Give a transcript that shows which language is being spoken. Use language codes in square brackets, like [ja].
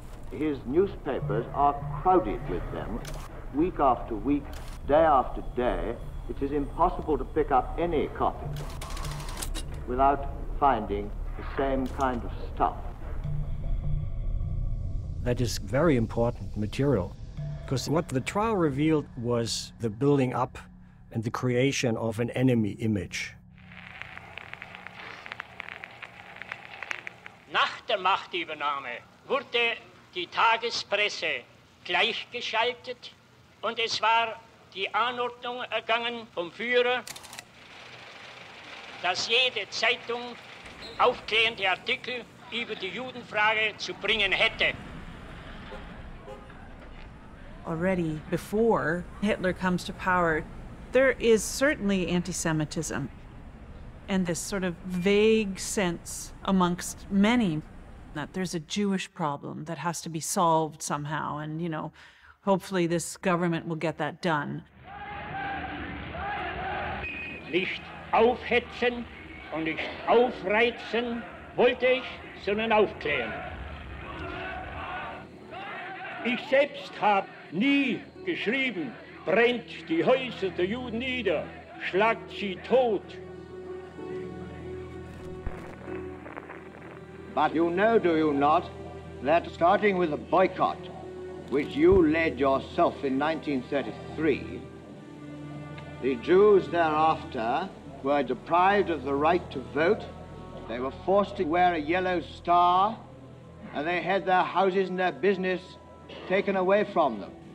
[en] His newspapers are crowded with them. Week after week, day after day, it is impossible to pick up any copy without finding the same kind of stuff. That is very important material, because what the trial revealed was the building up and the creation of an enemy image. [de] Nach der Machtübernahme wurde die Tagespresse gleichgeschaltet und es war die Anordnung ergangen vom Führer, dass jede Zeitung aufklärende Artikel über die Judenfrage zu bringen hätte. [en] Already before Hitler comes to power, there is certainly anti-Semitism and this sort of vague sense amongst many that there's a Jewish problem that has to be solved somehow, and, you know, hopefully this government will get that done. [de] Nicht aufhetzen und nicht aufreizen wollte ich, sondern aufklären. Ich selbst habe nie geschrieben, brennt die Häuser der Juden nieder, schlagt sie tot. [en] But you know, do you not, that starting with a boycott, which you led yourself in 1933, the Jews thereafter were deprived of the right to vote, they were forced to wear a yellow star, and they had their houses and their business taken away from them.